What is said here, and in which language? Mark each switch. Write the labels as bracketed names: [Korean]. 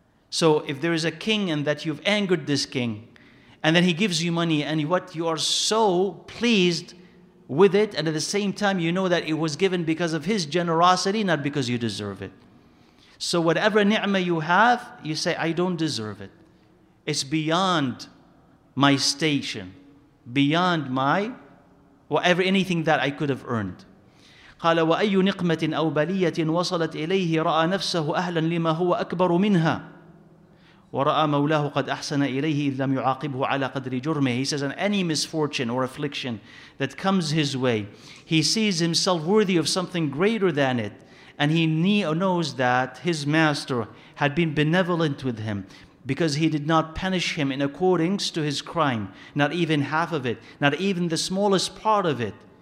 [English] So if there is a king and that you've angered this king, and then he gives you money, and what you are so pleased with it, and at the same time you know that it was given because of his generosity, not because you deserve it. So whatever ni'mah you have, you say, I don't deserve it. It's beyond my station, beyond my whatever anything that I could have earned. [Arabic] قال وأي نقمة أو بلية وصلت إليه رأى نفسه أهلا لما هو أكبر منها ورأى مولاه قد أحسن إليه إذ لم يعاقبه على قدر جرمه. [English] He says, and any misfortune or affliction that comes his way, he sees himself worthy of something greater than it, and he knows that his master had been benevolent with him, because he did not punish him in accordance to his crime, not even half of it, not even the smallest part of it.